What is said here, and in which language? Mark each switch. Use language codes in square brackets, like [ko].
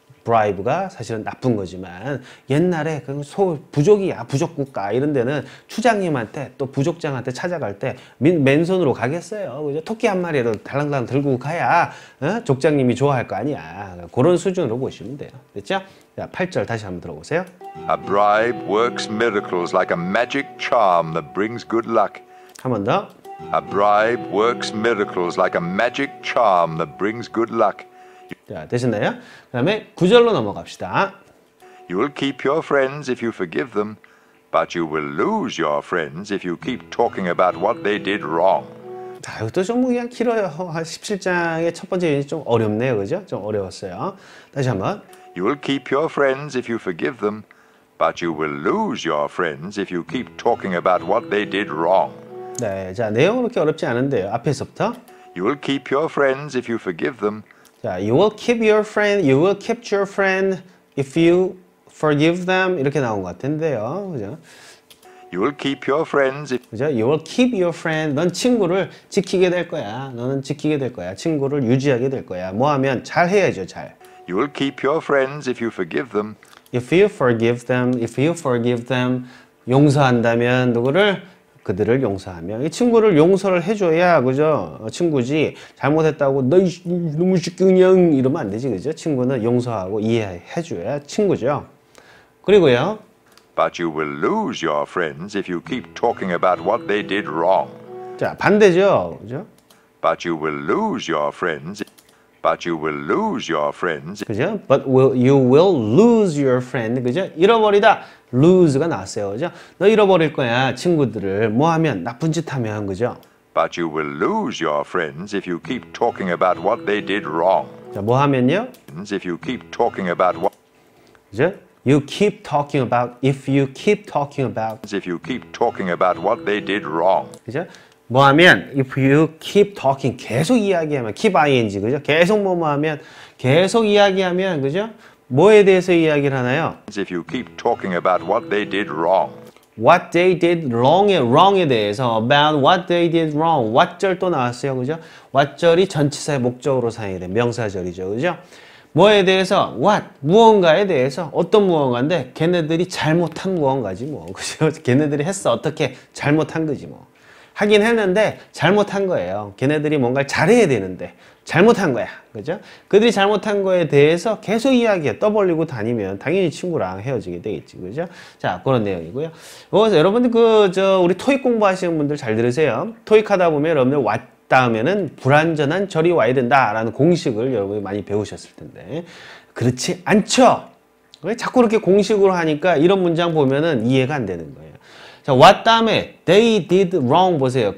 [ko] 브라이브가 사실은 나쁜 거지만 옛날에 그 소 부족이야 부족 국가 이런 데는 추장님한테 또 부족장한테 찾아갈 때 맨손으로 가겠어요. 그죠? 토끼 한 마리라도 달랑달랑 들고 가야 어? 족장님이 좋아할 거 아니야. 그런 수준으로 보시면 돼요. 됐죠? 자, 8절 다시 한번 들어보세요. [en] A bribe works miracles like a magic charm that brings good luck. [ko] 한 번 더. [en] A bribe works miracles like a magic charm that brings good luck. [ko] 자, 되셨나요? 그 다음에 9절로 넘어갑시다. [en] You'll keep your friends if you forgive them, but you will lose your friends if you keep talking about what they did wrong. [ko] 자, 이것도 좀 그냥 길어요. 17장의 첫 번째 얘기 좀 어렵네요. 그죠? 좀 어려웠어요. 다시 한번. [en] You'll keep your friends if you forgive them, but you will lose your friends if you keep talking about what they did wrong. [ko] 네, 자, 내용은 그렇게 어렵지 않은데요. 앞에서부터. [en] You'll keep your friends if you forgive them. [ko] 자, [en] you will keep your friend, you will keep your friend if you forgive them. [ko] 이렇게 나온 것 같은데요. 그죠? [en] You will keep your friends if [ko] 그죠? [en] You will keep your friend. [ko] 넌 친구를 지키게 될 거야. 너는 지키게 될 거야. 친구를 유지하게 될 거야. 뭐 하면 잘 해야죠, 잘. [en] You will keep your friends if you forgive them. If you forgive them, if you forgive them. [ko] 용서한다면 누구를? 그들을 용서하면 이 친구를 용서를 해줘야 그죠 어, 친구지 잘못했다고 너 너무 시끄냥 이러면 안 되지 그죠 친구는 용서하고 이해해줘야 친구죠 그리고요. [en] But you will lose your friends if you keep talking about what they did wrong. [ko] 자 반대죠 그죠. [en] But you will lose your friends. But you will lose your friends. [ko] 그죠. [en] But will you will lose your friend [ko] 그죠 잃어버리다. lose가 나왔어요. 그죠? 너 잃어버릴 거야, 친구들을. 뭐 하면 나쁜 짓 하면 그죠? [en] But you will lose your friends if you keep talking about what they did wrong. [ko] 자, 뭐 하면요? [en] If you keep talking about what [ko] 그죠? [en] You keep talking about if you keep talking about if you keep talking about what they did wrong. [ko] 그죠? 뭐 하면 [en] if you keep talking [ko] 계속 이야기하면 keep ing 그죠? 계속 뭐뭐 하면 계속 이야기하면 그죠? 뭐에 대해서 이야기를 하나요? [en] If you keep talking about what they did wrong. What they did wrong에 wrong에 대해서 about what they did wrong. [ko] What절 또 나왔어요. 그죠? What절이 전치사의 목적으로 사용이 된 명사절이죠. 그죠? 뭐에 대해서 what 무언가에 대해서 어떤 무언가인데 걔네들이 잘못한 무언가지 뭐. 그죠? 걔네들이 했어. 어떻게 잘못한 거지 뭐. 하긴 했는데 잘못한 거예요. 걔네들이 뭔가 잘해야 되는데 잘못한 거야. 그죠? 그들이 잘못한 거에 대해서 계속 이야기해 떠벌리고 다니면 당연히 친구랑 헤어지게 되겠지. 그죠? 자, 그런 내용이고요. 그래서 여러분들 그 저 우리 토익 공부하시는 분들 잘 들으세요. 토익 하다 보면 여러분들 왓 다음에는 불완전한 절이 와야 된다라는 공식을 여러분이 많이 배우셨을 텐데. 그렇지 않죠? 왜 자꾸 이렇게 공식으로 하니까 이런 문장 보면은 이해가 안 되는 거예요. 자, [en] what 다음에 they did wrong [ko] 보세요.